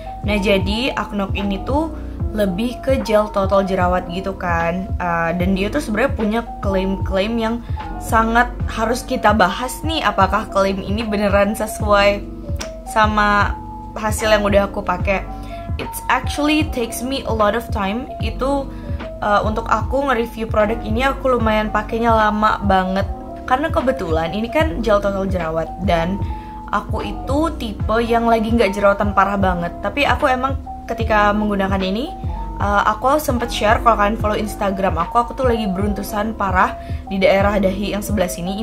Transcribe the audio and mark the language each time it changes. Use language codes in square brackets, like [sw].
[id] Nah, jadi Aknok ini tuh lebih ke gel totol jerawat gitu kan. Dan dia tuh sebenarnya punya klaim-klaim yang sangat harus kita bahas nih, apakah klaim ini beneran sesuai sama hasil yang udah aku pakai. [en] It actually takes me a lot of time. [id] Itu untuk aku nge-review produk ini, aku lumayan pakainya lama banget. Karena kebetulan ini kan gel totol jerawat, dan aku itu tipe yang lagi gak jerawatan parah banget. Tapi aku emang ketika menggunakan ini, aku sempet share, kalau kalian follow Instagram aku tuh lagi beruntusan parah di daerah dahi yang sebelah sini.